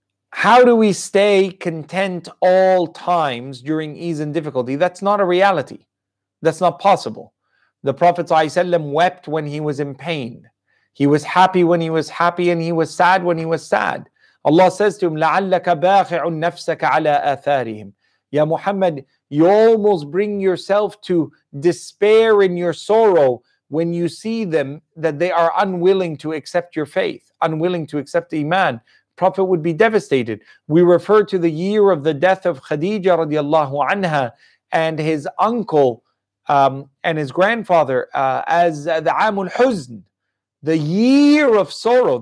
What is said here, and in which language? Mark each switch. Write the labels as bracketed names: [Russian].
[English] How do we stay content all times during ease and difficulty? That's not a reality. That's not possible. The Prophet ﷺ wept when he was in pain. He was happy when he was happy, and he was sad when he was sad. Allah says to him, [Arabic] لَعَلَّكَ بَاخِعُ نَفْسَكَ عَلَىٰ آثَارِهِمْ. [English] Ya Muhammad, you almost bring yourself to despair in your sorrow when you see them, that they are unwilling to accept your faith, unwilling to accept Iman. Prophet would be devastated. We refer to the year of the death of Khadija radiallahu anha and his uncle and his grandfather as the Aam al-Huzn, the year of sorrow.